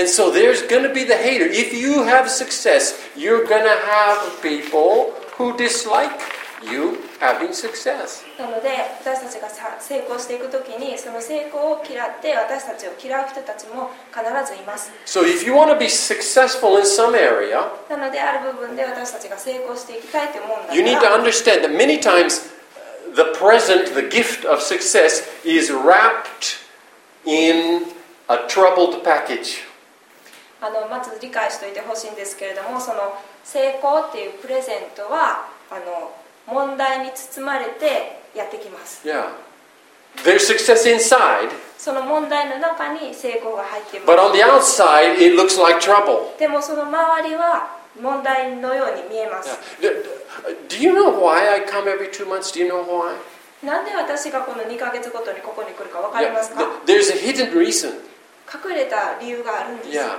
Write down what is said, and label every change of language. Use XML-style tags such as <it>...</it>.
<en>And so there's going to be the hater. If you have success, you're going to have people who dislike you having success.</en> <ja>なので私たちが成功していくときにその成功を嫌って私たちを嫌う人たちも必ずいます。</ja> <en>So if you want to be successful in some area,</en> <ja>なのである部分で私たちが成功していきたいと思うんだから、</ja> <en>You need to understand that many times the present, the gift of success is wrapped in a troubled package.</en> <ja>まず理解しておいてほしいんですけれども、その成功っていうプレゼントは問題に包まれてやってきます。</ja> <en>There's success inside.</en> <ja>その問題の中に成功が入っています。</ja> <en>But on the outside, it looks like trouble.</en> <ja>でもその周りは問題のように見えます。</ja> <en>Do you know why I come every 2 months? Do you know why?</en> <ja>なんで私がこの2ヶ月ごとにここに来るかわかりますか？</ja> <en>There's a hidden reason.</en> <ja>隠れた理由があるんです。</ja>